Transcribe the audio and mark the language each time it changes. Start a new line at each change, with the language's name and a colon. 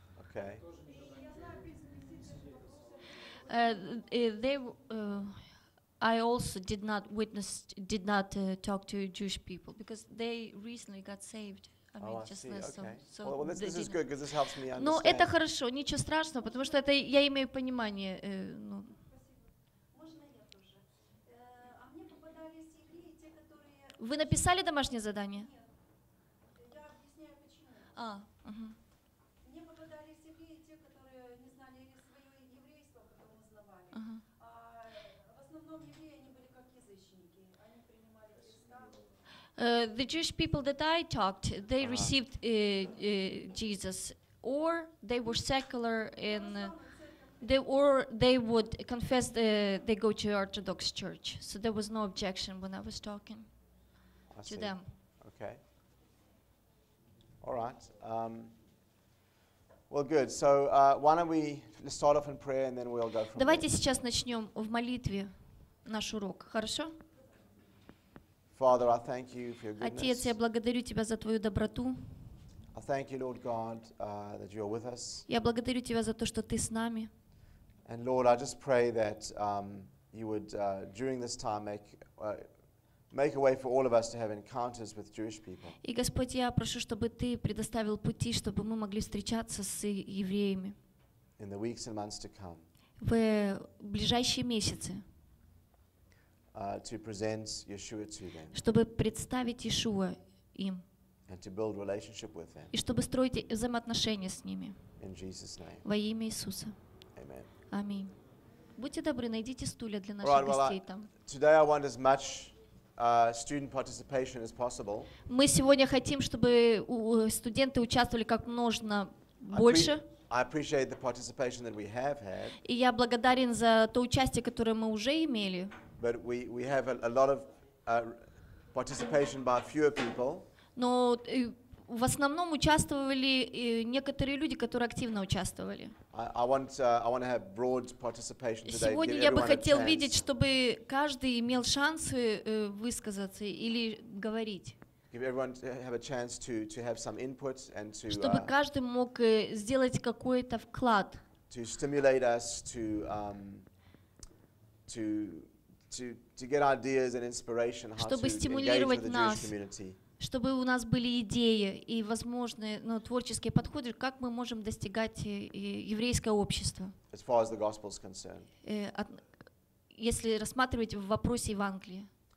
English: Okay. I also did not talk to Jewish people because they recently got saved. This is good because this helps me understand.
Russian: Но это хорошо, ничего страшного, потому что это я имею понимание. Ну. Вы написали домашнее задание? Нет. Я объясняю почему. А. Мне попадались евреи, те, которые не знали свое еврейство, которое узнавали. А в основном евреи они были как язычники. Они принимали Христа.
English: The Jewish people that I talked, they received Jesus, or they were secular, and they would confess they go to Orthodox Church. So there was no objection when I was talking to them. Okay. All right. Well, good. So why don't we start off in prayer, and then we'll go from there.
Russian: Давайте сейчас начнем в молитве наш урок, хорошо?
English: Father, I thank you for your goodness.
Russian: Отец, я благодарю тебя за твою доброту.
English: I thank you, Lord God, that you are with us.
Russian: Я благодарю тебя за то, что ты с нами.
English: And Lord, I just pray that you would during this time make a way for all of us to have encounters with Jewish people.
Russian: И Господь, я прошу, чтобы ты предоставил пути, чтобы мы могли встречаться с евреями.
English: In the weeks and months to come.
Russian: В ближайшие месяцы.
English: To present Yeshua to them.
Russian: Чтобы представить Иешуа им.
English: And to build relationship with them.
Russian: И чтобы строить взаимоотношения с ними.
English: In Jesus' name.
Russian: Во имя Иисуса.
English: Amen.
Russian: Аминь. Будьте добры, найдите стулья для наших гостей там.
English: Today I want as much student participation as possible.
Russian: Мы сегодня хотим, чтобы студенты участвовали как можно больше.
English: I appreciate the participation that we have had.
Russian: И я благодарен за то участие, которое мы уже имели.
English: But we have a lot of participation by fewer people.
Russian: Но в основном участвовали некоторые люди, которые активно участвовали.
English: I want to have broad participation today.
Russian: Сегодня я бы хотел видеть, чтобы каждый имел шансы высказаться или говорить.
English: Give everyone have a chance to have some input and to.
Russian: Чтобы каждый мог сделать какой-то вклад.
English: To stimulate us to get ideas and inspiration,
Russian: чтобы стимулировать нас, чтобы у нас были идеи и возможные, ну, творческие подходы, как мы можем достигать еврейское общество.
English: As far as the gospel is concerned.
Russian: Если рассматривать в вопросе Евангелия.